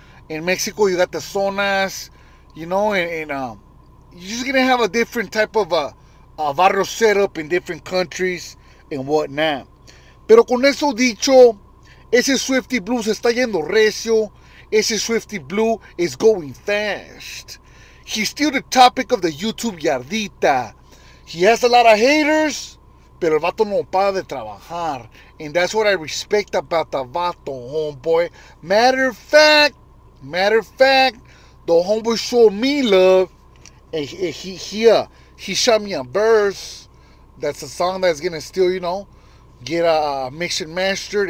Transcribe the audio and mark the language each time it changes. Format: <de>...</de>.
<en>In Mexico, you got the zonas, you know, and you're just going to have a different type of a barrio setup in different countries and whatnot.</en> <es>Pero con eso dicho, ese Swifty Blue se está yendo recio.</es> <en>Ese Swifty Blue is going fast. He's still the topic of the YouTube yardita. He has a lot of haters,</en> <es>pero el vato no para de trabajar.</es> <en>And that's what I respect about the vato, homeboy. Matter of fact, the homeboy showed me love. And he shot me a verse. That's a song that's going to still, you know, get mixed and mastered.</en>